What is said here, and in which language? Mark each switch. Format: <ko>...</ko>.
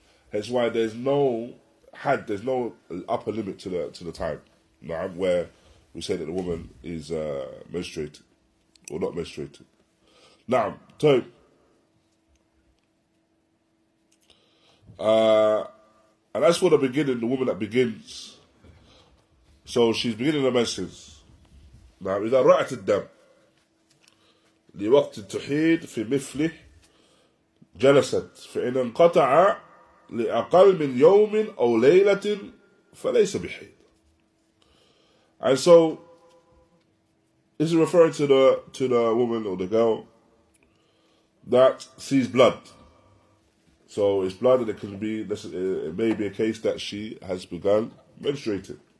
<en>That's why there's no upper limit to the time, right, where we say that the woman is menstruating or not menstruating. Now, so and that's for the beginning, the woman that begins. So she's beginning the menses. Now,</en> <ar>إذا رأت الدم لوقت التحيد في مثله جلست فإن انقطع لأقل من يوم أو ليلة فليس بحيد.</ar> <en>And so, this is referring to the woman or the girl that sees blood. So it's blood, and it may be a case that she has begun menstruating.</en>